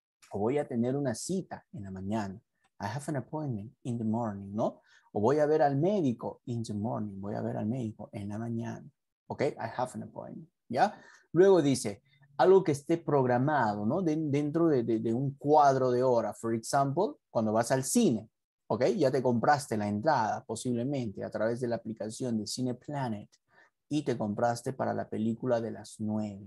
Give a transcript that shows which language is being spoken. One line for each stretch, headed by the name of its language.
Spanish: O voy a tener una cita en la mañana.
English: I have an appointment in the morning, ¿no?
Spanish: O voy a ver al médico
English: in the morning.
Spanish: Voy a ver al médico en la mañana. Ok,
English: I have an appointment,
Spanish: ¿ya? Luego dice, algo que esté programado, ¿no? Dentro de un cuadro de hora.
English: For example,
Spanish: cuando vas al cine, ¿ok? Ya te compraste la entrada, posiblemente, a través de la aplicación de Cine Planet y te compraste para la película de las 9.